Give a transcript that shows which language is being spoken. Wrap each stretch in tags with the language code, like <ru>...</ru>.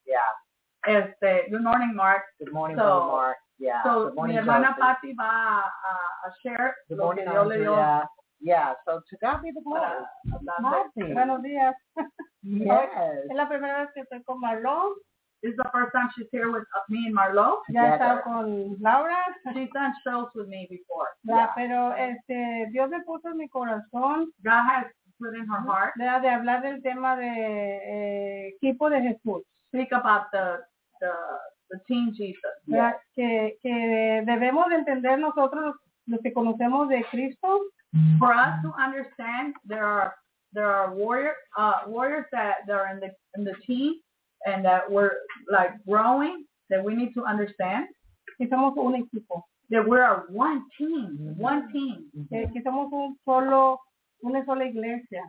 <en>Yeah. Good morning, Mark. Good morning, so, Mark. Yeah. So, morning,</en> <es>mi hermana Patsy va a share.</es> <en>Good morning,</en> <es>lo que Dios le dio.</es> <en>Yeah, so to God be the glory.</en> <es>Buenos días.</es> <en>Yes.</en> <es>Es la primera vez que estoy con Marlo.</es> <en>This is the first time she's here with me and Marlo.</en> <es>Ya he estado con Laura.</es> <en>She's done shows with me before.</en> <es>Yeah. Pero Dios me puso en mi corazón.</es> <en>God has put in her heart.</en> <es>De hablar del tema de equipo de Jesús.</es> <en>Speak about the team Jesus. Yes.</en> <es>Que debemos de entender nosotros los que conocemos de Cristo.</es> <en>For us to understand, there are warriors that are in the team and that we're like growing, that we need to understand.</en> <es>Que somos un equipo.</es> <en>That we are one team, one team.</en> <es>Que somos una sola iglesia.</es>